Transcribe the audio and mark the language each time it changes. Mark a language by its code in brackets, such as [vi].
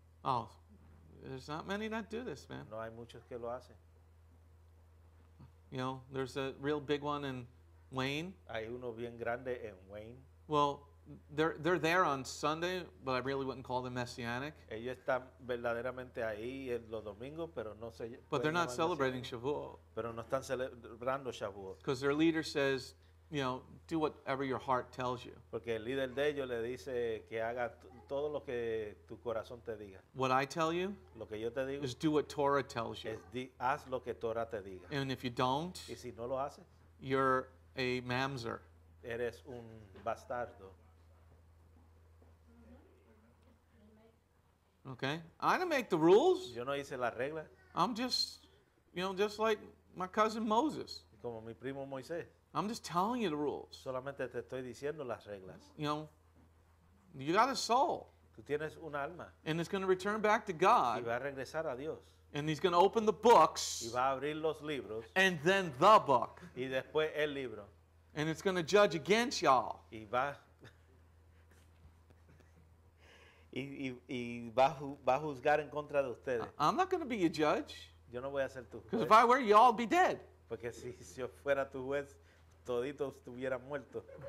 [en] Oh, there's not many that do this, man. [es] No hay muchos que lo hacen. [en] You know, there's a real big one in Wayne. [es] Hay uno bien grande en Wayne. [en] Well, they're there on Sunday, but I really wouldn't call them messianic. [es] Ellos están verdaderamente ahí en los domingos, pero no se. [en] But they're not celebrating Shavuot. [es] Pero no están celebrando Shavuot. [en] Because their leader says, you know, do whatever your heart tells you. [es] Porque el líder de ellos le dice que haga todo lo que tu corazón te diga. [en] What I tell you, [es] lo que yo te digo, [en] is do what Torah tells you. [es] Es haz lo que Torah te diga. [en] And if you don't, [es] y si no lo haces, [en] you're a mamzer. [es] Eres un bastardo. [en] Okay, I didn't make the rules. [es] Yo no hice la regla. [en] I'm just, you know, just like my cousin Moses. [es] Como mi primo Moisés. [en] I'm just telling you the rules. [es] Solamente te estoy diciendo las reglas. [en] You know, you got a soul. [es] Tú tienes un alma. [en] And it's going to return back to God. [es] Y va a regresar a Dios. [en] And he's going to open the books. [es] Y va a abrir los libros. [en] And then the book. [es] Y después el libro. [en] And it's going to judge against y'all. [es] Y va. Y va a juzgar en contra de ustedes. [en] I'm not going to be your judge. [es] Yo no voy a ser tu juez. [en] Because if I were you, all be dead. [es] Porque si yo fuera tu juez, toditos estuvieran muertos.